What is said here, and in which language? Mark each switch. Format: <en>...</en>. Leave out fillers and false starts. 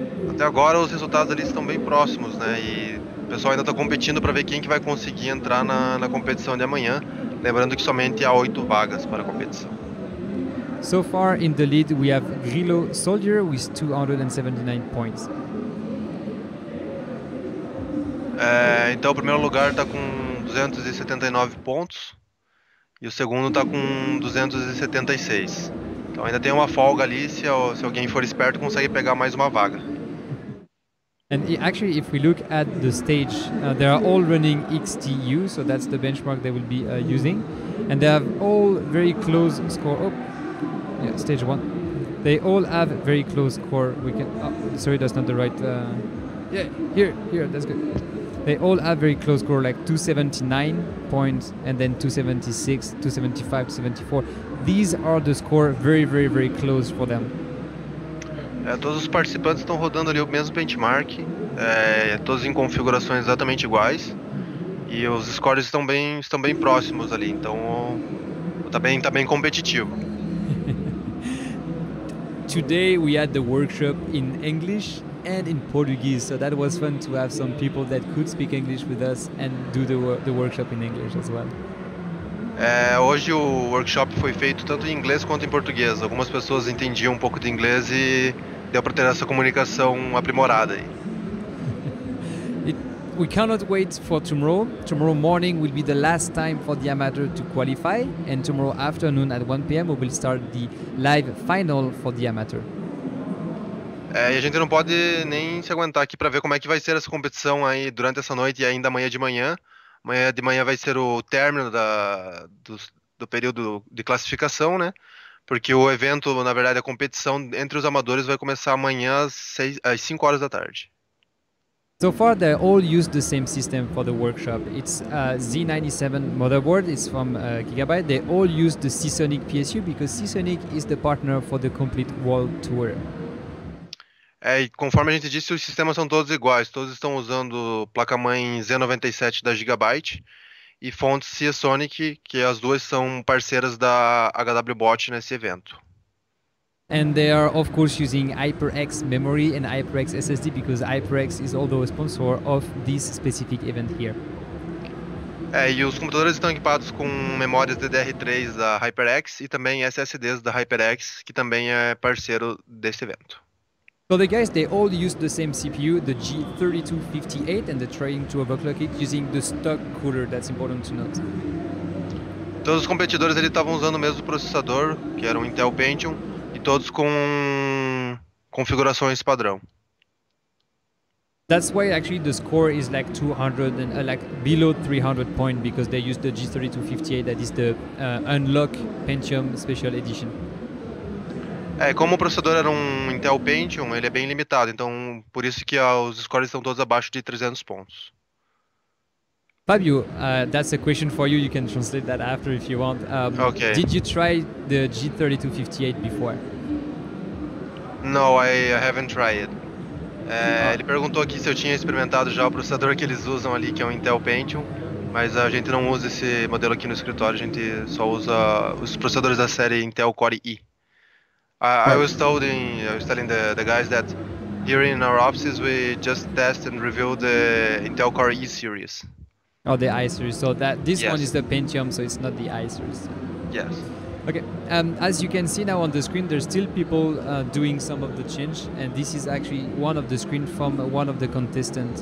<pt>Até agora os resultados ali estão bem próximos, né? E o pessoal ainda está competindo para ver quem que vai conseguir entrar na competição de amanhã, lembrando que somente há 8 vagas para a competição.</pt> <en>So far in the lead, we have Grillo Soldier with 279 points.</en> <pt>Então o primeiro lugar está com 279 pontos e o segundo está com 276. Então ainda tem uma folga ali, se alguém for esperto consegue pegar mais uma vaga.</pt> <en>And actually, if we look at the stage, they are all running XTU, so that's the benchmark they will be using. And they have all very close score. Oh, yeah, stage one. They all have very close score. Sorry, that's not the right. Here, that's good. They all have very close score, like 279 points, and then 276, 275, 274. These are the score very, very, very close for them.</en> <pt>Todos os participantes estão rodando ali o mesmo benchmark, todos em configurações exatamente iguais, e os scores estão bem próximos ali, então tá bem competitivo.</pt> <en>Today we had the workshop in English and in Portuguese, so that was fun to have some people that could speak English with us and do the workshop in English as well.</en> <pt>Hoje o workshop foi feito tanto em inglês quanto em português. Algumas pessoas entendiam um pouco de inglês e deu para ter essa comunicação aprimorada aí.</pt> <en>We cannot wait for tomorrow. Tomorrow morning will be the last time for the amateur to qualify, and tomorrow afternoon at 1 p.m. we will start the live final for the amateur.</en> <pt>E a gente não pode nem se aguentar aqui para ver como é que vai ser essa competição aí durante essa noite e ainda amanhã de manhã. Amanhã de manhã vai ser o término do período de classificação, né? Porque o evento, na verdade, a competição entre os amadores vai começar amanhã às 5 horas da tarde.</pt> <en>So far, they all use the same system for the workshop. It's a Z97 motherboard. It's from Gigabyte. They all use the Seasonic PSU because Seasonic is the partner for the complete World Tour.</en> <pt>E conforme a gente disse, os sistemas são todos iguais. Todos estão usando placa-mãe Z97 da Gigabyte e fontes Seasonic, que as duas são parceiras da HWBOT nesse evento.</pt> <en>And they are, of course, using HyperX memory and HyperX SSD because HyperX is also a sponsor of this specific event here.</en> <pt>E os computadores estão equipados com memórias DDR3 da HyperX e também SSDs da HyperX, que também é parceiro desse evento.</pt> <en>So the guys, they all use the same CPU, the G3258, and they're trying to overclock it using the stock cooler. That's important to note.</en> <pt>Todos os competidores ali estavam usando o mesmo processador, que era um Intel Pentium, e todos com configurações padrão.</pt> <en>That's why actually the score is like 200 and like below 300 points because they use the G3258, that is the unlock Pentium Special Edition.</en> <pt>Como o processador era um Intel Pentium, ele é bem limitado, então por isso que os scores estão todos abaixo de 300 pontos.</pt> <en>Fabio, that's a question for you. You can translate that after if you want. Ok. Did you try the G3258 before? No, I haven't tried.</en> <pt>Ele</pt> <en>Oh.</en> <pt>perguntou aqui se eu tinha experimentado já o processador que eles usam ali, que é um Intel Pentium, mas a gente não usa esse modelo aqui no escritório, a gente só usa os processadores da série Intel Core i.</pt> <en>I was telling the guys that here in our offices we just test and review the Intel Core E series. Oh, the i-series. So that this one is the Pentium, so it's not the i-series. Yes. Okay. As you can see now on the screen, there's still people doing some of the change, and this is actually one of the screen from one of the contestants.</en>